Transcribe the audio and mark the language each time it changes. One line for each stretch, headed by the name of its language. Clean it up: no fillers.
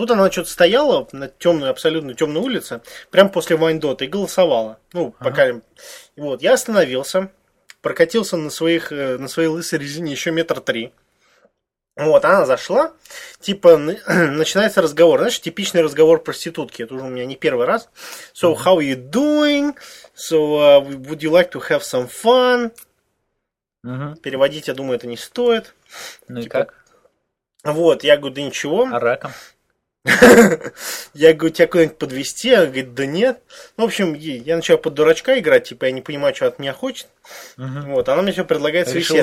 Russian: Тут она что-то стояла на темную, абсолютно темную улице, прямо после Вайндота и голосовала. Ну, пока. Вот, я остановился, прокатился на своей лысой резине еще 3 метра. Вот, она зашла, типа, начинается разговор. Знаешь, типичный разговор проститутки. Это уже у меня не первый раз.
English: So, how are you doing? So, would you like to have some fun?
Russian: Переводить, я думаю, это не стоит. Ну типа, и как? Вот, я говорю, да ничего. А раком? Я говорю, тебя куда-нибудь подвезти? Она говорит, да нет. В общем, я начал под дурачка играть, типа, я не понимаю, что от меня хочет. Вот, она мне все предлагает свои сервисы.